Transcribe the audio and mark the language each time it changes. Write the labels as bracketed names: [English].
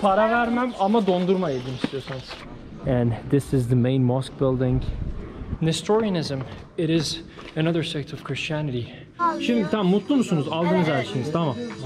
[Turkish] Para vermem ama dondurma yedim istiyorsanız. [English] And this is the main mosque building. Nestorianism, it is another sect of Christianity. [Turkish] Şimdi tamam, mutlu musunuz? Aldınız her şeyiniz, tamam.